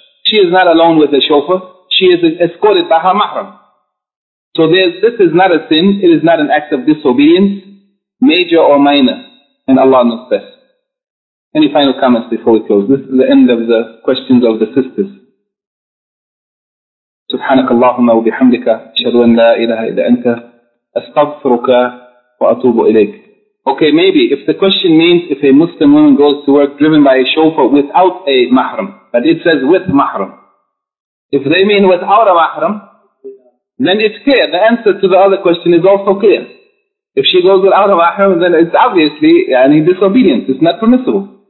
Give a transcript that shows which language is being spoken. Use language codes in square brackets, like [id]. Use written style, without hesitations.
[en] She is not alone with the chauffeur. She is escorted by her mahram. So this is not a sin. It is not an act of disobedience, major or minor, and Allah knows best. Any final comments before we close? This is the end of the questions of the sisters. [ar] سبحانك اللهم وبحمدك أشهد أن لا إله إلا أنت أستغفرك وأتوب إليك. [en] Okay, maybe if the question means if a Muslim woman goes to work driven by a chauffeur without a mahram, but it says with mahram. If they mean without a mahram, then it's clear. The answer to the other question is also clear. If she goes without a mahram, then it's obviously disobedience. It's not permissible.